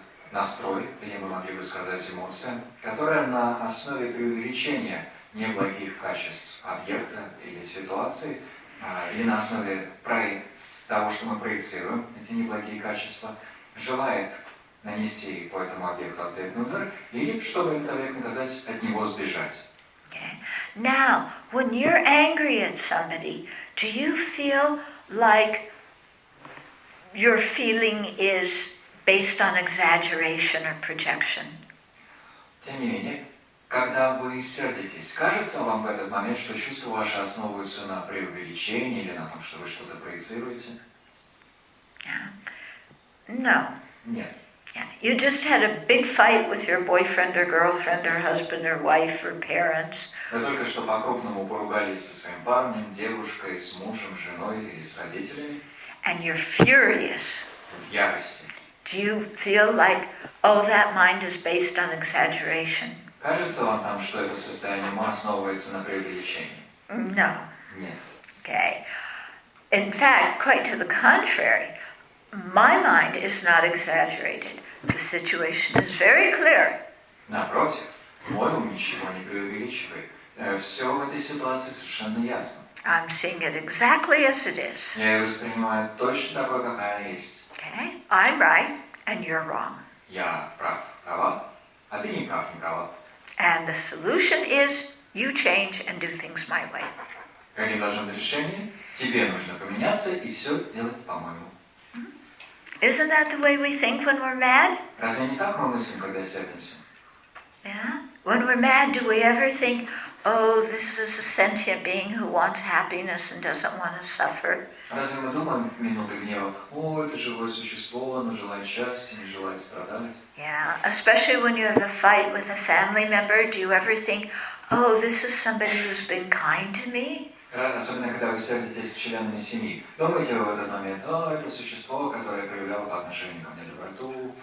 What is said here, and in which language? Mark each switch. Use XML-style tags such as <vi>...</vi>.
<ru>Настрой, это не мы могли бы сказать эмоция, которая на основе преувеличения неблагих качеств объекта или ситуации, или на основе того, что мы проецируем эти неблагие качества, желает нанести по этому объекту ответный удар, или чтобы это наказать, от него сбежать.</ru> <en>Okay. Now, when you're angry at somebody, do you feel like your feeling is based on exaggeration or projection?</en> <ru>Тем не менее, когда вы сердитесь, кажется вам в этот момент, что чувства ваши основываются на преувеличении или на том, что вы что-то проецируете?</ru> <en>No.</en> <ru>Нет.</ru> <en>Yeah. You just had a big fight with your boyfriend or girlfriend or husband or wife or parents.</en> <ru>Вы только что по-крупному поругались со своим парнем, девушкой, с мужем, женой или с родителями.</ru> <en>And you're furious.</en> <ru>В ярости.</ru> <en>Do you feel like, oh, that mind is based on exaggeration?</en> <ru>Кажется вам там, что это состояние ума основывается на преувеличении?</ru> <en>No.</en> <ru>Нет.</ru> <en>Okay. In fact, quite to the contrary, my mind is not exaggerated. The situation is very clear.</en> <ru>Напротив, мой ум ничего не преувеличивает. Все в этой ситуации совершенно ясно.</ru> <en>I'm seeing it exactly as it is.</en> <ru>Я его воспринимаю точно такой, как она есть.</ru> <en>Okay, I'm right, and you're wrong.</en> <ru>Я прав, права, а ты не прав, не права.</ru> <en>And the solution is, you change and do things my way.</en> <ru>Какое должно быть решение? Тебе нужно поменяться и все делать по-моему. Mm-hmm.</ru> <en>Isn't that the way we think when we're mad?</en> <ru>Разве не так мы мыслим, когда сердимся?</ru> <en>Yeah. When we're mad, do we ever think, oh, this is a sentient being who wants happiness and doesn't want to suffer?</en> <ru>Разве мы думаем в минуты гнева, о, это живое существо, оно желает счастья, не желает страдать?</ru> <en>Yeah, especially when you have a fight with a family member, do you ever think, oh, this is somebody who's been kind to me?</en> <ru>Особенно, когда вы сердитесь с членами семьи, думаете вы в этот момент, о, это существо, которое проявляло по отношению ко мне доброту?</ru>